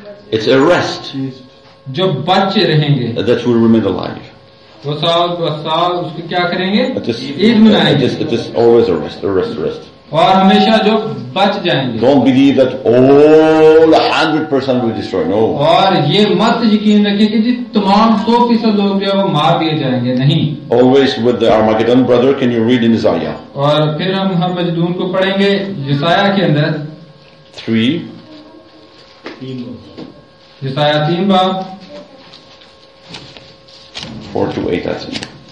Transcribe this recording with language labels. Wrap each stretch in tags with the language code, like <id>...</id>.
<en>It's a rest.</en> <hi>Jo bache rahenge.</hi> <en>That will remain alive.</en> <hi>Wo saal ko saal uske kya karenge? Eid manayenge.</hi> <en>It is always a rest.</en> <hi>और हमेशा जो बच जाएंगे।</hi> <en>Don't believe that all 100% will destroy. No.</en> <hi>और ये मत यकीन रखिए कि जी तमाम 100% लोग जो है वो मार दिए जाएंगे, नहीं।</hi> <en>Always with the Armageddon, brother, can you read in Isaiah?</en> <hi>और फिर हम हर मजदूर को पढ़ेंगे यशाया के अंदर 3 यशाया 3 बाब</hi> <en>4-8 that's it.</en>